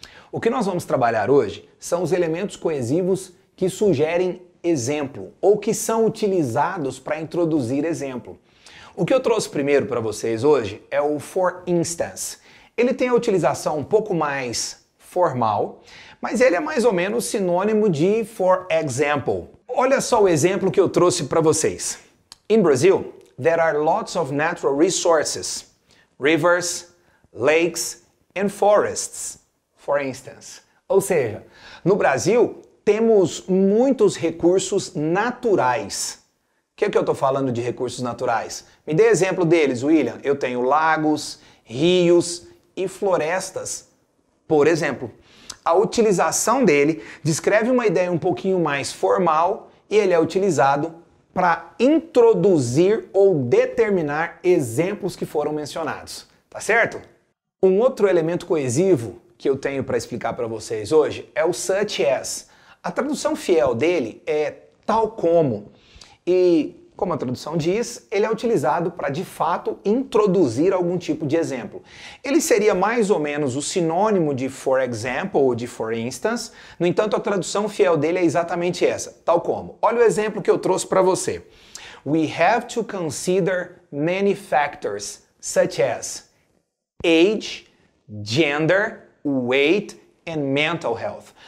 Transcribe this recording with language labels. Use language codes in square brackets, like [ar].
[pt] O que nós vamos trabalhar hoje são os elementos coesivos que sugerem exemplo ou que são utilizados para introduzir exemplo. O que eu trouxe primeiro para vocês hoje é o for instance. Ele tem a utilização um pouco mais formal, mas ele é mais ou menos sinônimo de for example. Olha só o exemplo que eu trouxe para vocês. [en] In Brazil, there are lots of natural resources, rivers, lakes, and forests, for instance. [pt] Ou seja, no Brasil, temos muitos recursos naturais. O que é que eu estou falando de recursos naturais? Me dê exemplo deles, William. Eu tenho lagos, rios e florestas, por exemplo. A utilização dele descreve uma ideia um pouquinho mais formal e ele é utilizado para introduzir ou determinar exemplos que foram mencionados. Tá certo? Um outro elemento coesivo que eu tenho para explicar para vocês hoje é o such as. A tradução fiel dele é tal como. E, como a tradução diz, ele é utilizado para, de fato, introduzir algum tipo de exemplo. Ele seria mais ou menos o sinônimo de for example ou de for instance. No entanto, a tradução fiel dele é exatamente essa, tal como. Olha o exemplo que eu trouxe para você. [en] We have to consider many factors, such as age, gender, weight, and mental health.